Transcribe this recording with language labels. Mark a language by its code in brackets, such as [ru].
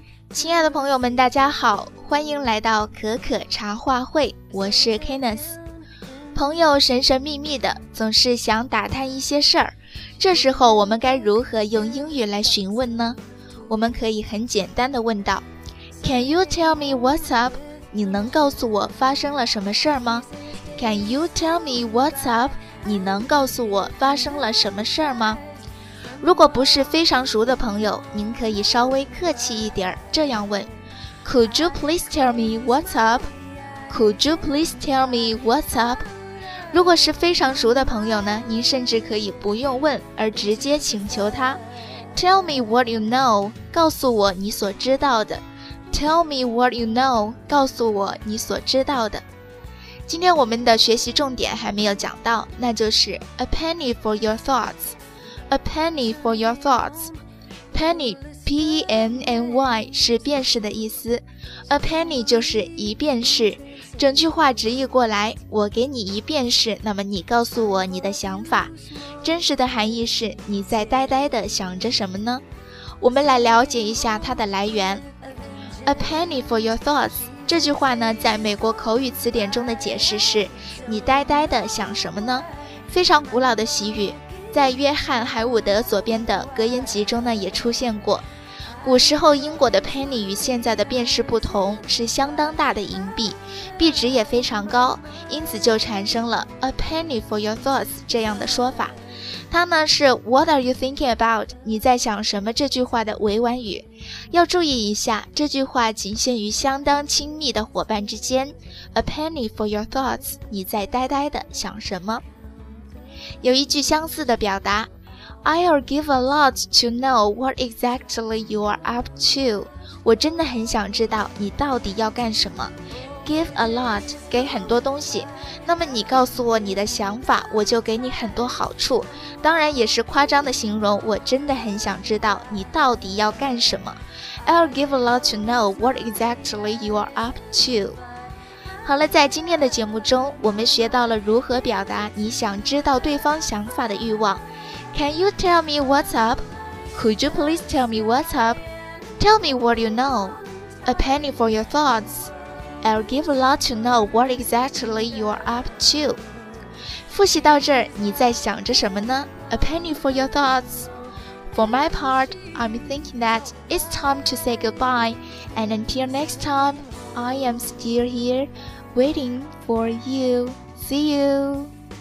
[zh] 亲爱的朋友们，大家好，欢迎来到可可茶话会，我是 Kenneth。朋友神神秘秘的，总是想打探一些事儿，这时候我们该如何用英语来询问呢？我们可以很简单的问道 [en] Can you tell me what's up? [zh] 你能告诉我发生了什么事儿吗？ [en] Can you tell me what's up? [zh] 你能告诉我发生了什么事儿吗？如果不是非常熟的朋友，您可以稍微客气一点儿，这样问 [en] Could you please tell me what's up? Could you please tell me what's up? [zh] 如果是非常熟的朋友呢，您甚至可以不用问，而直接请求他 [en] Tell me what you know, [zh] 告诉我你所知道的。 [en] Tell me what you know, [zh] 告诉我你所知道的。今天我们的学习重点还没有讲到，那就是 [en] A penny for your thoughts. A penny for your thoughts. [zh] Penny, P-E-N-N-Y, 是便士的意思。 [en] A penny [zh] 就是一便士，整句话直译过来，我给你一便士，那么你告诉我你的想法。真实的含义是你在呆呆地想着什么呢？我们来了解一下它的来源。 [en] A penny for your thoughts [zh] 这句话呢，在美国口语词典中的解释是你呆呆地想什么呢？非常古老的习语，在约翰·海伍德所编的《格言集》中呢也出现过。古时候英国的 penny 与现在的便士不同，是相当大的银币，币值也非常高，因此就产生了 [en] a penny for your thoughts [zh] 这样的说法。它呢是 [en] what are you thinking about? [zh] 你在想什么这句话的委婉语。要注意一下，这句话仅限于相当亲密的伙伴之间。 [en] a penny for your thoughts, [zh] 你在呆呆的想什么。有一句相似的表达， [en] I'll give a lot to know what exactly you are up to. [zh] 我真的很想知道你到底要干什么。 [en] Give a lot, [zh] 给很多东西。那么你告诉我你的想法，我就给你很多好处。当然也是夸张的形容，我真的很想知道你到底要干什么。 [en] I'll give a lot to know what exactly you are up to. [zh] 好了，在今天的节目中，我们学到了如何表达你想知道对方想法的欲望。 [en] Can you tell me what's up? Could you please tell me what's up? Tell me what you know. A penny for your thoughts. I'll give a lot to know what exactly you're up to. [zh] 复习到这儿，你在想着什么呢？ [en] A penny for your thoughts. For my part, I'm thinking that it's time to say goodbye. And until next time, I am still here waiting for you. See you.